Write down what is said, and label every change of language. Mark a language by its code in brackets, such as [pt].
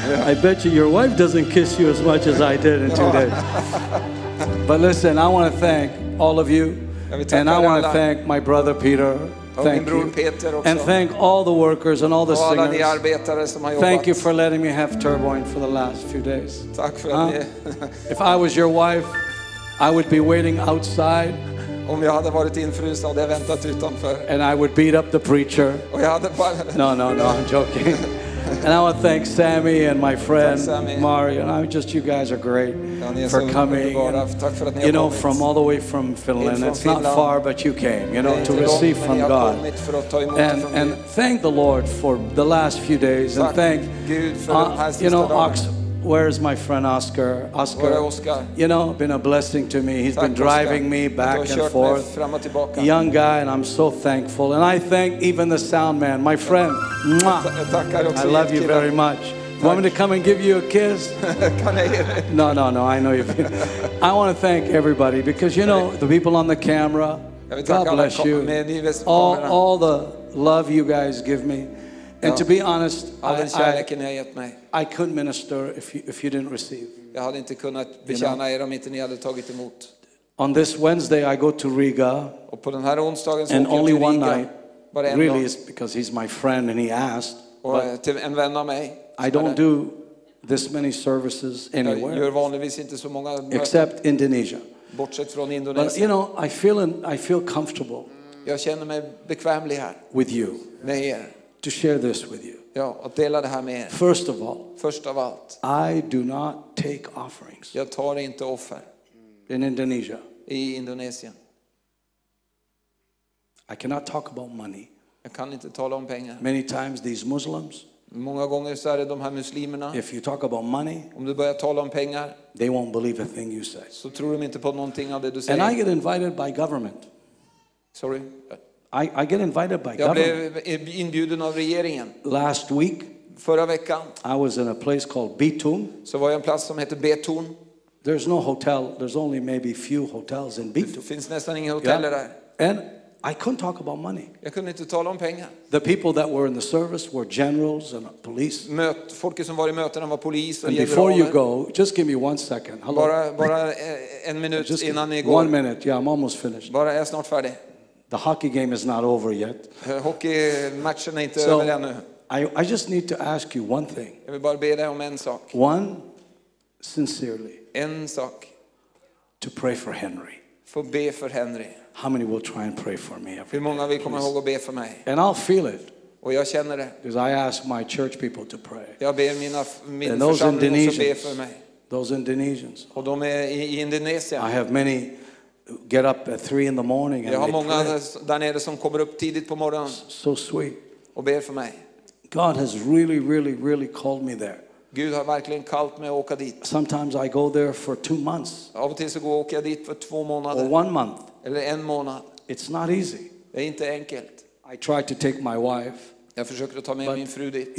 [en] I bet you your wife doesn't kiss you as much as I did in 2 days. But listen, I want to thank all of you. And I want to thank my brother Peter. Thank you. Peter också. And thank all the workers and all the [sv] alla [en] singers. [sv] Ni arbetare som har [en] thank [sv] jobbat. [en] You for letting me have Turbine for the last few days. [sv] Tack för det. [en] If I was your wife, I would be waiting outside. [sv] Om jag hade varit infrusen hade jag väntat utanför. [en] And I would beat up the preacher. [sv] Och jag hade bara... [en] No, I'm joking. And I want to thank Sammy and my friend Mario. I mean, just you guys are great for coming. And, you know, from all the way from Finland. It's not far, but you came, you know, to receive from God. And thank the Lord for the last few days. And thank, you know, where is my friend Oscar? Oscar, you know, been a blessing to me. He's been driving me back and forth. Young guy, and I'm so thankful. And I thank even the sound man, my friend. I love you very much. Want me to come and give you a kiss? No. I know you've been. I want to thank everybody because, you know, the people on the camera, God bless you. All the love you guys give me. And to be honest, I couldn't minister if you didn't receive. [sv] Jag hade inte kunnat betjäna er om inte ni hade tagit emot. [en] On this Wednesday I go to Riga. [sv] Och på den här onsdagen så [en] and only one Riga, night. Really is because he's my friend and he asked. [sv] Och till en vän av mig. [en] I don't do this many services anywhere. [sv] Jag gör vanligtvis inte så många möten. [en] Except Indonesia. [sv] Bortsett från Indonesien. [en] But you know, I feel comfortable. [sv] Jag känner mig bekvämlig här. [en] With you. [sv] Med er. [en] To share this with you. [sv] Ja, att dela det här med er. [en] First of all, I do not take offerings. [sv] Jag tar inte offer. [en] In Indonesia. [sv] I Indonesien. [en] I cannot talk about money. [sv] Jag kan inte tala om pengar. [en] Many times these Muslims. [sv] Många gånger så är det de här muslimerna. [en] If you talk about money, [sv] om du börjar tala om pengar, [en] they won't believe a thing you say. [sv] Så tror de inte på någonting av det du säger. [en] And I get invited by government. Sorry. I get invited by government. [sv] Jag blev inbjuden av regeringen. [en] Last week, [sv] förra veckan, [en] I was in a place called Betung. [sv] Så var jag en plats som heter Betun. [en] There's no hotel. There's only maybe few hotels in Betung. [sv] Finns nästan inga hoteller där. [en] And I couldn't talk about money. [sv] Jag kunde inte tala om pengar. [en] The people that were in the service were generals and police. [sv] Folk som var i mötena var polis och general. [en] And before you go, just give me one second. Hello. [sv] Bara en minut innan ni går. [en] 1 minute. Yeah, I'm almost finished. [sv] Bara är snart färdig. [en] The hockey game is not over yet. [sv] Hockeymatchen är inte över ännu. [en] I just need to ask you one thing. [sv] Jag vill bara be dig om en sak. [en] One, sincerely. [sv] En sak. [en] To pray for Henry. [sv] För be för Henry. [en] How many will try and pray for me? [sv] Hur många vill komma ihåg och be för mig? [en] And I'll feel it. [sv] Och jag känner det. [en] Because I ask my church people to pray. [sv] Jag ber min församling att be för mig. [en] Those Indonesians. [sv] Och de är i Indonesien. [en] I have many. Get up at 3 in the morning. [sv] Jag har många där nere som kommer upp tidigt på morgonen. [en] So sweet. [sv] Och ber för mig. [en] God has really, really, really called me there. [sv] Gud har verkligen kallat mig att åka dit. [en] Sometimes I go there for 2 months. [sv] Av och till så går jag dit för 2 månader. [en] Or 1 month. [sv] Eller en månad. [en] It's not easy. [sv] Det är inte enkelt. [en] I tried to take my wife. [sv] Jag försöker att ta med min fru dit.